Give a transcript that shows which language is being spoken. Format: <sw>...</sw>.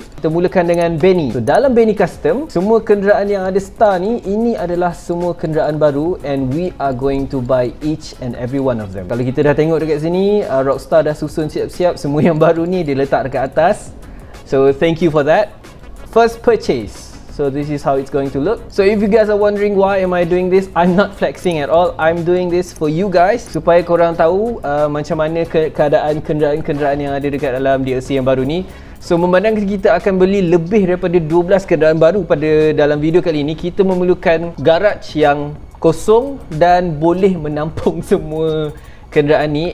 <ms>Kita mulakan dengan Benny. So dalam Benny Custom, semua kenderaan yang ada star ni, ini adalah semua kenderaan baru.</ms> <en>And we are going to buy each and every one of them.</en> <ms>Kalau kita dah tengok dekat sini, Rockstar dah susun siap-siap. Semua yang baru ni dia letak dekat atas.</ms> <en>So thank you for that. First purchase. So this is how it's going to look. So if you guys are wondering why am I doing this, I'm not flexing at all. I'm doing this for you guys</en> <ms>supaya korang tahu macam mana keadaan kenderaan-kenderaan yang ada dekat dalam DLC yang baru ni. So memandangkan kita akan beli lebih daripada 12 kenderaan baru pada dalam video kali ni, kita memerlukan garage yang kosong dan boleh menampung semua kenderaan ni.</ms>